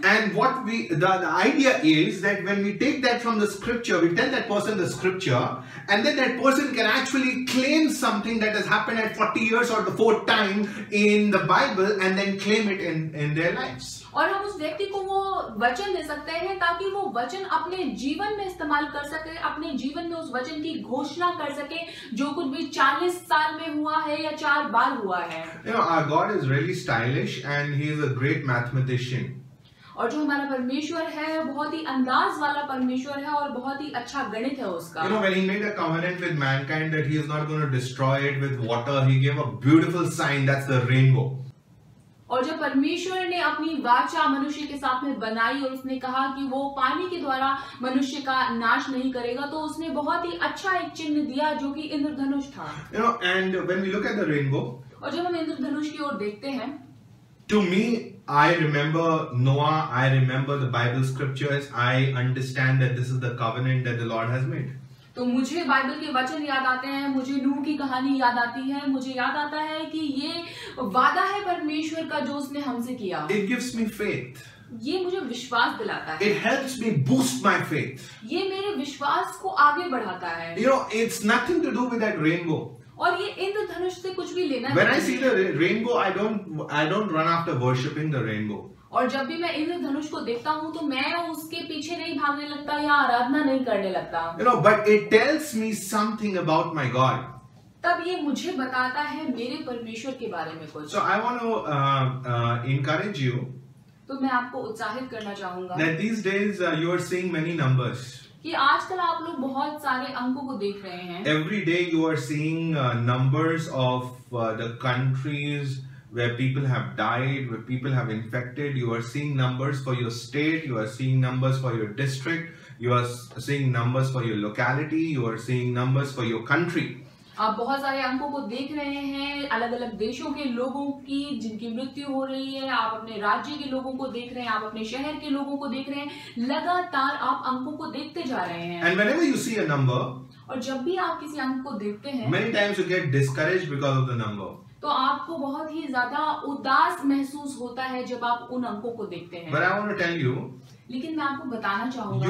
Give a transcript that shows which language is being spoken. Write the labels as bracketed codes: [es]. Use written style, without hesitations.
[en] And what we the idea is that when we take that from the scripture, we tell that person the scripture and then that person can actually claim something that has happened at 40 years और the fourth time in the Bible and then claim it in their lives. [hi] और हम उस व्यक्ति को वो वचन दे सकते हैं ताकि वो वचन अपने जीवन में इस्तेमाल कर सके, अपने जीवन में उस वचन की घोषणा कर सके जो कुछ भी 40 साल में हुआ है या चार बार हुआ है. [en] You know, our God is really stylish and he is a great mathematician. [hi] और जो हमारा परमेश्वर है बहुत ही अंदाज वाला परमेश्वर है और बहुत ही अच्छा गणित है उसका. [en] You know, when he made a covenant with mankind that he is not going to destroy it with water, he gave a beautiful sign, that's the rainbow. [hi] और जब परमेश्वर ने अपनी वाचा मनुष्य के साथ में बनाई और उसने कहा कि वो पानी के द्वारा मनुष्य का नाश नहीं करेगा, तो उसने बहुत ही अच्छा एक चिन्ह दिया जो कि इंद्रधनुष था. [en] You know, and when we look at the rainbow, [hi] और जब हम इंद्रधनुष की ओर देखते हैं, [en] to me, I remember Noah, I remember the Bible scriptures, I understand that this is the covenant that the Lord has made. [hi] तो मुझे Bible के वचन याद आते हैं, मुझे नूह की कहानी याद आती है, मुझे याद आता है कि ये वादा है परमेश्वर का जो उसने हमसे किया. [en] It gives me faith. [hi] ये मुझे विश्वास दिलाता है. [en] It helps me boost my faith. [hi] ये मेरे विश्वास को आगे बढ़ाता है. [en] You know, it's nothing to do with that rainbow. [hi] और ये इंद्रधनुष से कुछ भी लेना नहीं. [en] When I see the rainbow, I don't run after worshiping the rainbow. [hi] और जब भी मैं इंद्रधनुष को देखता हूँ तो मैं उसके पीछे नहीं भागने लगता या आराधना नहीं करने लगता. [en] You know, but it tells me something about my God. [hi] तब ये मुझे बताता है मेरे परमेश्वर के बारे में कुछ. [en] So I want to encourage you. [hi] तो मैं आपको उत्साहित करना चाहूंगा. [en] That these days you are seeing many numbers. [hi] कि आजकल आप लोग बहुत सारे अंकों को देख रहे हैं. [en] Every day you are seeing numbers of the countries where people have died, where people have infected. You are seeing numbers for your state, you are seeing numbers for your district, you are seeing numbers for your locality, you are seeing numbers for your country. [hi] आप बहुत सारे अंकों को देख रहे हैं, अलग अलग देशों के लोगों की जिनकी मृत्यु हो रही है, आप अपने राज्य के लोगों को देख रहे हैं, आप अपने शहर के लोगों को देख रहे हैं, लगातार आप अंकों को देखते जा रहे हैं. [en] And whenever you see a number, [hi] और जब भी आप किसी अंक को देखते हैं, [en] many times you get discouraged because of the number. [hi] तो आपको बहुत ही ज्यादा उदास महसूस होता है जब आप उन अंकों को देखते हैं. [en] But I want to tell you, [hi] लेकिन मैं आपको बताना चाहूंगा,